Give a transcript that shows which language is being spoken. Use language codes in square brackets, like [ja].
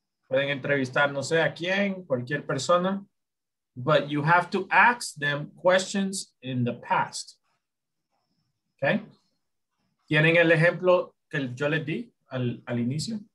[es] Pueden entrevistar no sé a quién, cualquier persona. [en] But you have to ask them questions in the past. Okay? [es] ¿Tienen el ejemplo que yo les di al inicio?